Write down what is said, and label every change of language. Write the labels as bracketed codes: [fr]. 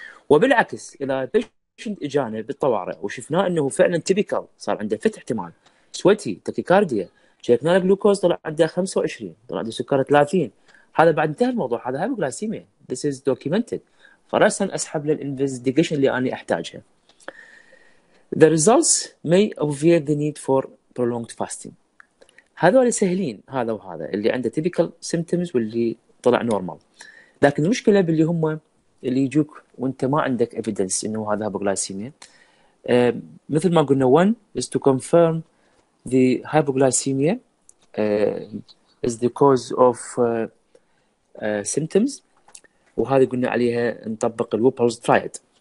[ar] وبالعكس إذا بيشنت إجانا بالطوارئ وشفناه إنه فعلاً تيبيكال صار عنده فتح احتمال سويتي تاكيكارديا، شيكنا الجلوكوز طلع عنده 25، طلع عنده سكر 30، هذا بعد انتهى الموضوع، هذا هايبوغلايسيميا، [en] this is documented، [ar] فرأسا أسحب للإنفستيجيشن اللي أنا أحتاجها. [en] The results may obviate the need for prolonged fasting. [ar] هذا اللي سهلين، هذا وهذا اللي عنده [en] typical symptoms [ar] واللي طلع normal، لكن المشكلة باللي هم اللي يجوك وانت ما عندك evidence إنه هذا هايبوغلايسيميا. مثل ما قلنا [en] one is to confirm the hypoglycemia is the cause of symptoms، [ar] وهذه قلنا عليها نطبق الوبلز ترايد.